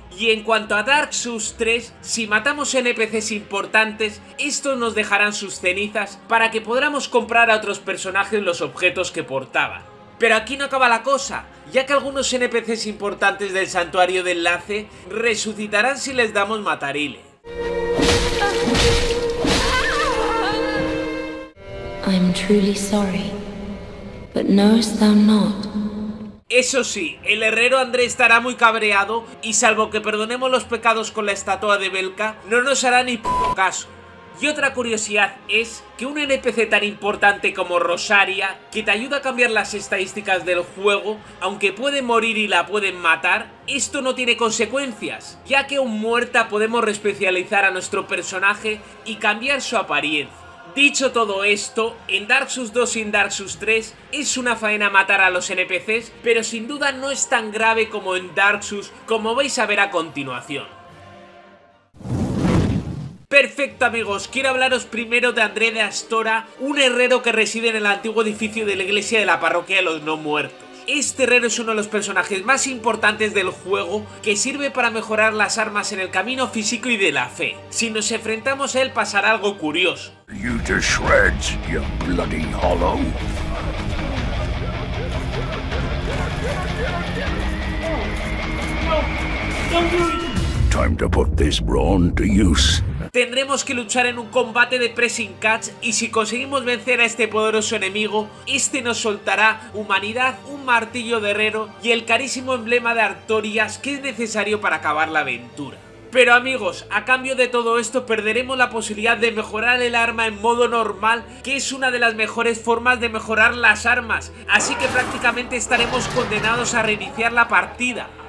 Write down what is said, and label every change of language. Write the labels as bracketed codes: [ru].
[es] Y en cuanto a Dark Souls 3, si matamos NPCs importantes, estos nos dejarán sus cenizas para que podamos comprar a otros personajes los objetos que portaban. Pero aquí no acaba la cosa, ya que algunos NPCs importantes del Santuario de Enlace resucitarán si les damos matarile. [en] I'm truly sorry, but knowest thou not. [es] Eso sí, el herrero André estará muy cabreado y salvo que perdonemos los pecados con la estatua de Belka, no nos hará ni puto caso. Y otra curiosidad es que un NPC tan importante como Rosaria, que te ayuda a cambiar las estadísticas del juego, aunque puede morir y la pueden matar, esto no tiene consecuencias, ya que aún muerta podemos reespecializar a nuestro personaje y cambiar su apariencia. Dicho todo esto, en Dark Souls 2 y en Dark Souls 3 es una faena matar a los NPCs, pero sin duda no es tan grave como en Dark Souls, como vais a ver a continuación. Perfecto, amigos, quiero hablaros primero de André de Astora, un herrero que reside en el antiguo edificio de la iglesia de la parroquia de los no muertos. Este herrero es uno de los personajes más importantes del juego que sirve para mejorar las armas en el camino físico y de la fe. Si nos enfrentamos a él pasará algo curioso. [en] You to shreds, you bloody hollow. Time to put this brawn to use. [es] Tendremos que luchar en un combate de pressing catch y si conseguimos vencer a este poderoso enemigo, este nos soltará humanidad, un martillo de herrero y el carísimo emblema de Artorias que es necesario para acabar la aventura. Pero amigos, a cambio de todo esto perderemos la posibilidad de mejorar el arma en modo normal, que es una de las mejores formas de mejorar las armas, así que prácticamente estaremos condenados a reiniciar la partida.